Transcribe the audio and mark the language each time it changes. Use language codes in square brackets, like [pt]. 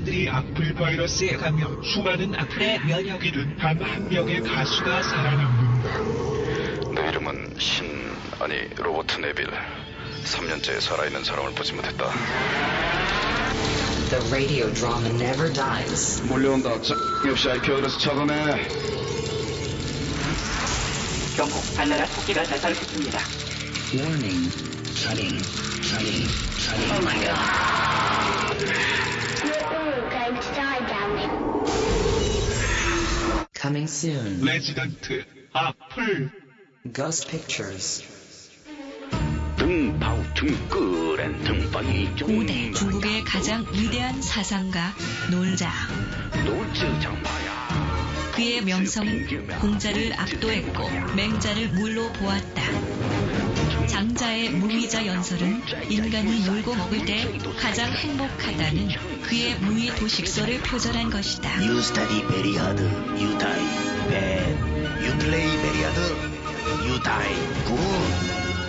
[ko] 악플 바이러스에 감염, 수많은 악플의 면역이 든 단 한 명의 가수가 살아남는다. 내 이름은 신, 아니 로봇 네빌. 3년째 살아있는 사람을 보지 못했다. [en] The radio drama never dies. [ko] 몰려온다. 자, 역시 IP 어드레스 차단해. 경고, 반나라 토끼가 자살했습니다. [en] Warning, [ko] 차링, 차링, 차링. [en] Oh my god. Coming soon. Resident Apple. Ghost Pictures. 등파우 등끄렌 등파이 [ko] 5대 중국의 가장 위대한 사상가 놀자. 놀자 장마야. 그의 명성은 공자를 압도했고 맹자를 물로 보았다. 장자의 무위자 연설은 인간이 놀고 먹을 때 가장 행복하다는 그의 무위 도식설을 표절한 것이다. [en] You study very hard, you die bad. You play very hard, you die good.